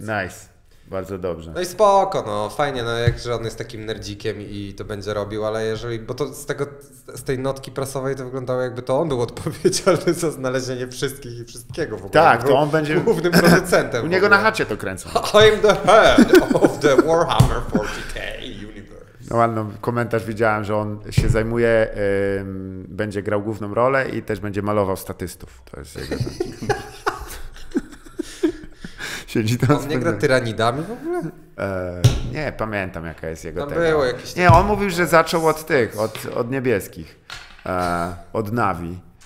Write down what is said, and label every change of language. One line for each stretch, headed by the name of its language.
English: Nice.
Polish: Bardzo dobrze. No i spoko, no fajnie, no jak, że on jest takim nerdzikiem i to będzie robił, ale jeżeli, bo to z tego, z tej notki prasowej to wyglądało, jakby to on był odpowiedzialny za znalezienie wszystkich i wszystkiego w ogóle. Tak, to on będzie głównym producentem. U niego na chacie to kręcą.
English: I'm the head of the Warhammer 40k universe.
Polish: No ładny komentarz widziałem, że on się zajmuje, będzie grał główną rolę i też będzie malował statystów. To jest jego on nie spędzę. Gra tyranidami w ogóle? Nie, pamiętam jaka jest jego tam tego. Nie, on mówił, że zaczął od tych, od niebieskich. Od Navi.